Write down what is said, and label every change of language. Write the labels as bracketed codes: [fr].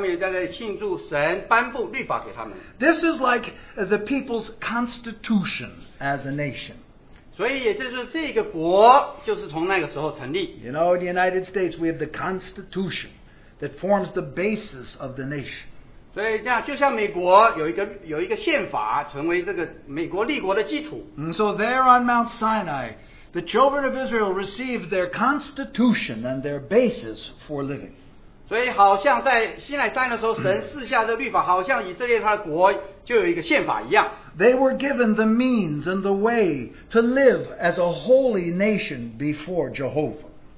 [zh] 所以犹太人也就在五旬节这一天，他们也在庆祝神颁布律法给他们。 [en] This is like the people's constitution as a nation. [zh] 所以也就是这个国就是从那个时候成立。 [en] You know, in the United States, we have the Constitution that forms the basis of the nation. [zh] 所以这样就像美国有一个宪法成为这个美国立国的基础。 [en] So there on Mount Sinai, the children of Israel received their Constitution and their basis for living. [zh] 所以好像在西乃山的时候神赐下这律法，好像以色列他的国就有一个宪法一样。 [en] They were given the means and the way to live as a holy nation before Jehovah.